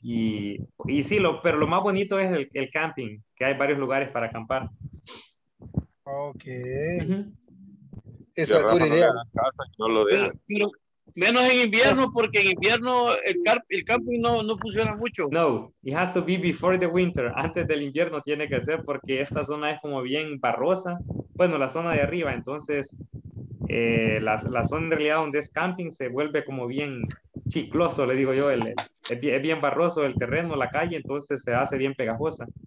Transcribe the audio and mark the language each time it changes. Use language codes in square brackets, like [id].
[es] Y sí, pero lo más bonito es el camping, que hay varios lugares para acampar. Ok. Uh-huh. Esa es una idea. No lo dejo. Pero, menos en invierno, porque en invierno el camping no funciona mucho. [en] No, it has to be before the winter. [es] Antes del invierno tiene que ser, porque esta zona es como bien barrosa. Bueno, la zona de arriba, entonces la zona en realidad donde es camping se vuelve como bien chicloso, le digo yo. Es bien barroso el terreno, la calle, entonces se hace bien pegajosa.